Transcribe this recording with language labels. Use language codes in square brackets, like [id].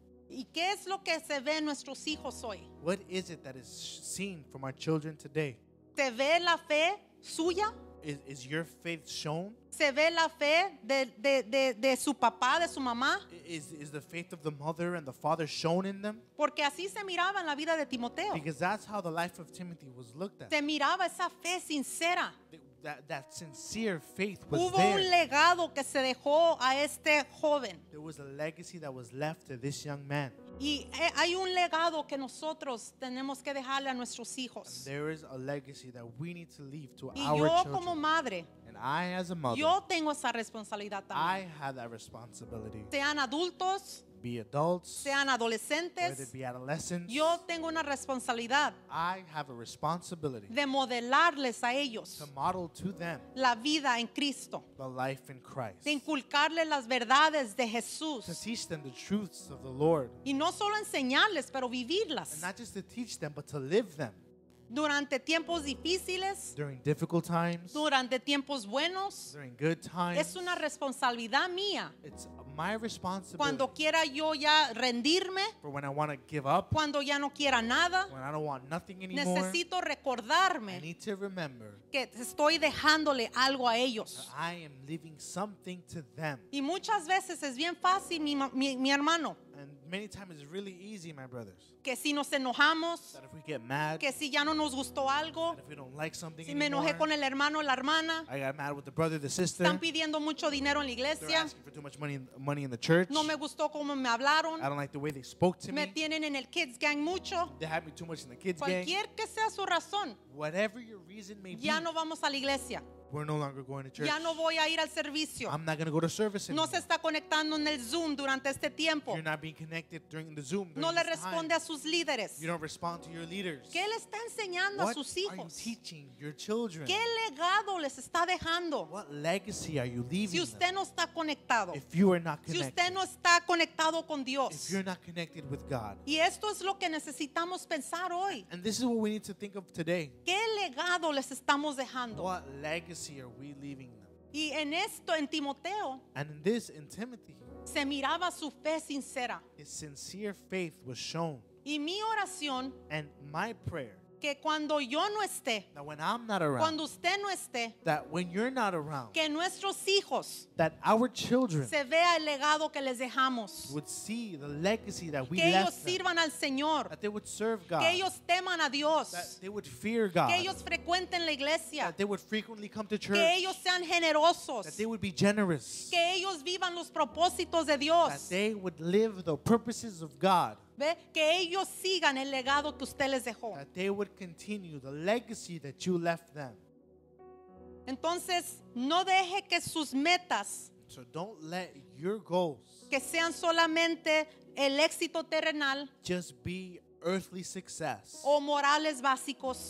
[es] ¿Y qué es lo que se ve en nuestros hijos hoy? [en] What is it that is seen from our children today? [es] ¿Te ve la fe suya? [en] Is your faith shown? [es] ¿Se ve la fe de su papá, de su mamá? [en] Is the faith of the mother and the father shown in them? [es] Porque así se miraba en la vida de Timoteo. [en] Because that's how the life of Timothy was looked at. [es] Se miraba esa fe sincera. [en] That sincere faith was [es] hubo [en] there. [es] Hubo un legado que se dejó a este joven. [en] There was a legacy that was left to this young man. [es] Y hay un legado que nosotros tenemos que dejarle a nuestros hijos. [en] And there is a legacy that we need to leave to [es] y [en] our children. [es] Como madre, [en] and I as a mother. [es] Yo tengo esa responsabilidad también. [en] I have that responsibility. [es] Sean adultos. [en] Be adults. [es] Sean adolescentes. [en] Whether it be adolescents. [es] Yo tengo una responsabilidad. [en] I have a responsibility. [es] De modelarles a ellos. [en] To model to them. [es] La vida en Cristo. [en] The life in Christ. [es] De inculcarles las verdades de Jesús. [en] To teach them the truths of the Lord. [es] Y no solo enseñarles, pero vivirlas. [en] And not just to teach them, but to live them. [es] Durante tiempos difíciles. [en] During difficult times. [es] Durante tiempos buenos. [en] During good times. [es] Es una responsabilidad mía. [en] It's my responsibility. [es] Cuando quiera yo ya rendirme. [en] For when I want to give up. [es] Cuando ya no quiera nada. [en] When I don't want nothing anymore. [es] Necesito recordarme. [en] I need to remember. [es] Que estoy dejándole algo a ellos. [en] I am leaving something to them. [es] Y muchas veces es bien fácil, mi hermano. [en] And many times it's really easy, my brothers. [es] Que si nos enojamos, [en] that if we get mad, [es] que si ya no nos gustó algo, [en] if we don't like something [es] si [en] anymore, [es] me enojé con el hermano o la hermana, [en] I got mad with the brother, the sister, [es] están pidiendo mucho dinero en la iglesia, [en] they're asking for too much money in the church, [es] no me gustó cómo me hablaron, [en] I don't like the way they spoke to me, [es] me tienen en el kids gang mucho, [en] they have me too much in the kids [es] cualquier [en] gang, [es] cualquier que sea su razón, [en] whatever your reason may [es] ya [en] be, [es] ya no vamos a la iglesia. [en] We're no longer going to church. [es] Ya no voy a ir al servicio. [en] I'm not going to go to service anymore. [es] No se está conectando en el Zoom durante este tiempo. [en] You're not being connected during the Zoom. During [es] no le responde [en] time. [es] A sus líderes. [en] You don't respond to your leaders. [es] ¿Qué le está enseñando [en] what [es] a sus hijos? [en] What are you teaching your children? [es] ¿Qué legado les está dejando? [en] What legacy are you leaving? [es] Si usted [en] them? [es] No está conectado. [en] If you are not connected. [es] Si usted no está conectado con Dios. [en] If you're not connected with God. [es] Y esto es lo que necesitamos pensar hoy. [en] And this is what we need to think of today. [es] ¿Qué legado les estamos dejando? [en] What legacy are we leaving them? [es] Y en esto, en Timoteo, [en] and in this, in Timothy, [es] se miraba su fe sincera. [en] His sincere faith was shown. [es] Y mi oración, [en] and my prayer [es] Que cuando yo no esté, [en] that when I'm not around, [es] cuando usted no esté, [en] that when you're not around, [es] que nuestros hijos, [en] that our children, [es] se vea el legado que les dejamos, [en] would see the legacy that we [es] que [en] left [es] ellos sirvan [en] them, [es] al Señor, [en] that they would serve God, [es] que ellos teman a Dios, [en] that they would fear God, [es] que ellos frecuenten la iglesia, [en] that they would frequently come to church, [es] que ellos sean generosos, [en] that they would be generous, [es] que ellos vivan los propósitos de Dios, [en] that they would live the purposes of God. [es] Ve, que ellos sigan el legado que usted les dejó. [en] That they would continue the legacy that you left them. [es] Entonces, no deje que sus metas, [en] so don't let your goals, [es] que sean solamente el éxito terrenal, [en] just be earthly success, [es] o morales básicos,